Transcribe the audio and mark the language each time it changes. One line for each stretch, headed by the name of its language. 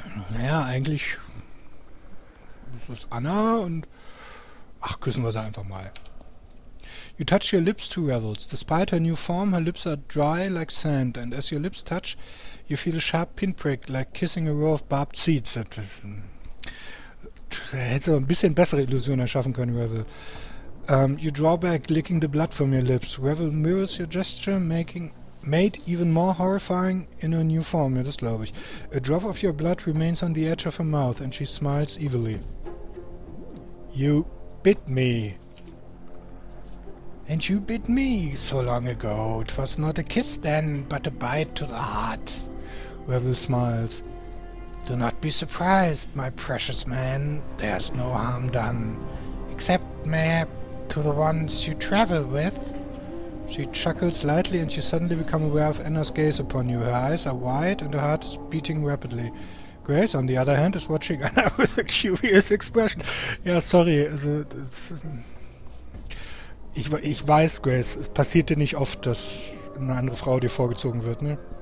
German: Naja, eigentlich. Das ist Anna und. Ach, küssen wir sie einfach mal.
English: You touch your lips to Revel's. Despite her new form, her lips are dry like sand, and as your lips touch, you feel a sharp pinprick, like kissing a row of barbed seeds.
German: Hättest du ein bisschen bessere Illusion erschaffen können, Revel.
English: You draw back, licking the blood from your lips. Revel mirrors your gesture, made even more horrifying in her new form.
German: Ja, das glaube ich.
English: A drop of your blood remains on the edge of her mouth, and she smiles evilly. You bit me. And you bit me so long ago. 'Twas not a kiss then, but a bite to the heart. Revel smiles. Do not be surprised, my precious man. There's no harm done. Except, mayhap, to the ones you travel with. She chuckles lightly and you suddenly become aware of Anna's gaze upon you. Her eyes are wide and her heart is beating rapidly. Grace, on the other hand, is watching Anna with a curious expression.
German: Ja, sorry. Also, ich weiß, Grace, es passiert dir nicht oft, dass eine andere Frau dir vorgezogen wird, ne?